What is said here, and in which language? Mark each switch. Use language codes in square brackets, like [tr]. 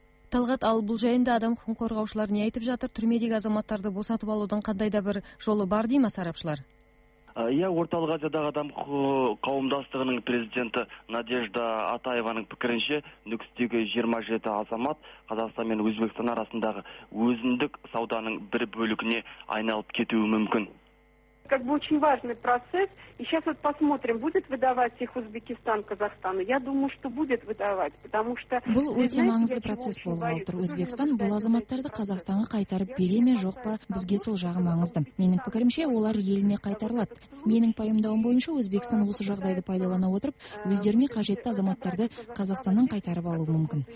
[kk] Талғат, ал бұл жайында адам құқығын қорғаушылар не айтып жатыр? Түрмедегі азаматтарды босатып алудың қандай да бір жолы бар дей ма сарапшылар? Орталық Азиядағы адам қауымдастығының президенті Надежда Атаеваның пікірінше, Нүкістегі 27 азамат Қазақстан мен Өзбекстан арасындағы өзіндік сауданың бір бөлігіне айналып кетуі мүмкін. [ru] Как бы очень важный процесс, и сейчас вот посмотрим, будет выдавать их Узбекистан Казахстану. Я думаю, что будет выдавать, потому что [kk] бұл өте маңызды процесс болғалы тұр. Өзбекстан бұл азаматтарды Қазақстанға қайтарып бере ме жоқ па, бізге сол жағы маңызды. Менің пікірімше, олар еліне қайтарылады. Менің пайымдауым бойынша Өзбекстан осы жағдайды пайдалана отырып, өздеріне қажетті азаматтарды Қазақстаннан қайтарып алуы мүмкін.